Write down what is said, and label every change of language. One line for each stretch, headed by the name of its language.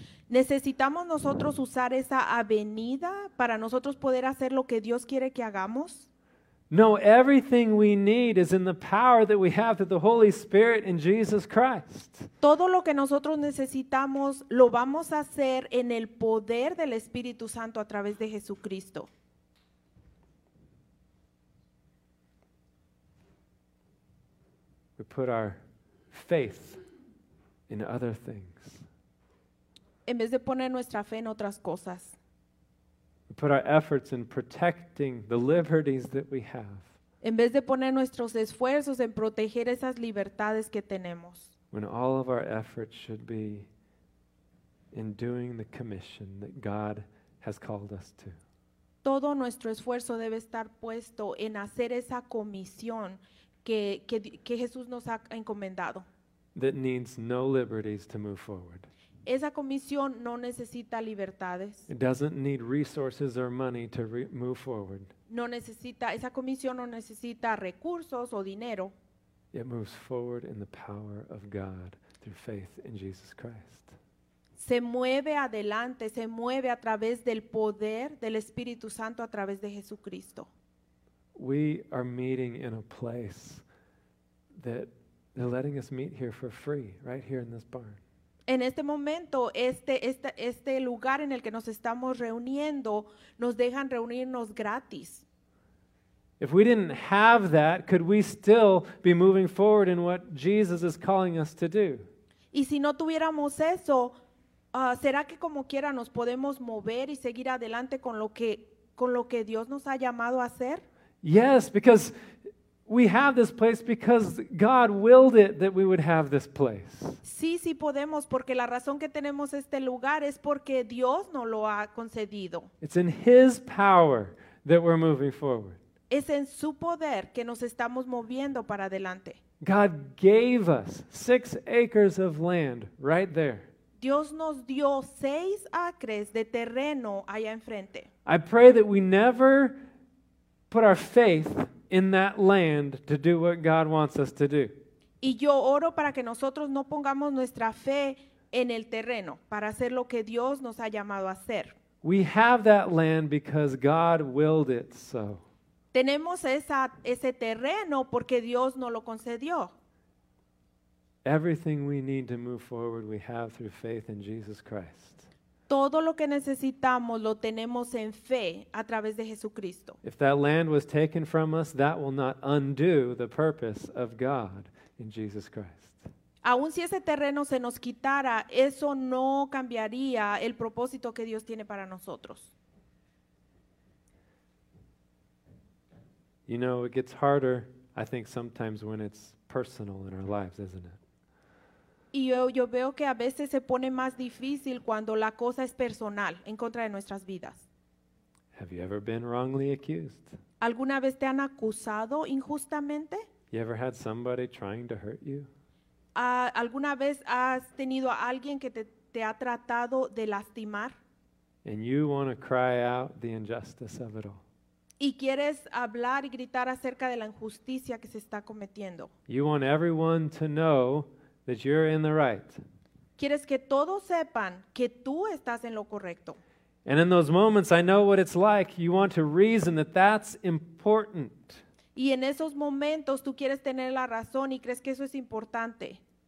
Spanish: ¿Necesitamos nosotros usar esa avenida para nosotros poder hacer lo que Dios quiere que hagamos?
English: No, everything we need is in the power that we have through the Holy Spirit in Jesus Christ.
Spanish: Todo lo que nosotros necesitamos lo vamos a hacer en el poder del Espíritu Santo a través de Jesucristo.
English: We put our faith in other things.
Spanish: En vez de poner nuestra fe en otras cosas.
English: We put our efforts in protecting the liberties that we have.
Spanish: En vez de poner nuestros esfuerzos en proteger esas libertades que tenemos.
English: When all of our efforts should be in doing the commission that God has called us to.
Spanish: Todo nuestro esfuerzo debe estar puesto en hacer esa comisión que Jesús nos ha encomendado.
English: That needs no liberties to move forward.
Spanish: Esa comisión no necesita libertades.
English: It doesn't need resources or money to move forward.
Spanish: No necesita, esa comisión no necesita recursos o dinero.
English: It moves forward in the power of God through faith in Jesus Christ.
Spanish: Se mueve adelante, se mueve a través del poder del Espíritu Santo a través de Jesucristo.
English: We are meeting in a place that they're letting us meet here for free, right here in this barn.
Spanish: En este momento, este lugar en el que nos estamos reuniendo, nos dejan reunirnos gratis.
English: If we didn't have that, could we still be moving forward in what Jesus is calling us to do?
Spanish: Y si no tuviéramos eso, ¿será que como quiera nos podemos mover y seguir adelante con lo que Dios nos ha llamado a hacer?
English: Yes, because we have this place because God willed it that we would have this place.
Spanish: Sí, sí podemos, porque la razón que tenemos este lugar es porque Dios nos lo ha concedido.
English: It's in His power that we're moving forward.
Spanish: Es en su poder que nos estamos moviendo para adelante.
English: God gave us 6 acres of land right there.
Spanish: Dios nos dio 6 acres de terreno allá enfrente.
English: I pray that we never put our faith in that land to do what God wants us to do.
Spanish: Y yo oro para que nosotros no pongamos nuestra fe en el terreno para hacer lo que Dios nos ha llamado a hacer.
English: We have that land because God willed it so.
Spanish: Tenemos ese terreno porque Dios nos lo concedió.
English: Everything we need to move forward we have through faith in Jesus Christ.
Spanish: Todo lo que necesitamos lo tenemos en fe a través de Jesucristo.
English: If that land was taken from us, that will not undo the purpose of God in Jesus Christ.
Spanish: Aun si ese terreno se nos quitara, eso no cambiaría el propósito que Dios tiene para nosotros.
English: You know, it gets harder, I think, sometimes when it's personal in our lives, isn't it?
Spanish: Y yo veo que a veces se pone más difícil cuando la cosa es personal, en contra de nuestras vidas.
English: Have you ever been wrongly accused?
Spanish: ¿Alguna vez te han acusado injustamente?
English: You ever had somebody trying to hurt you?
Spanish: ¿Alguna vez has tenido a alguien que te ha tratado de lastimar?
English: And you want to cry out the injustice of it all.
Spanish: Y quieres hablar y gritar acerca de la injusticia que se está cometiendo.
English: You want everyone to know that you're in the right.
Spanish: Quieres que todos sepan que tú estás en lo correcto.
English: And in those moments, I know what it's like. You want to reason that that's important.
Spanish: Y en esos momentos, tú quieres tener la razón y crees que eso es importante.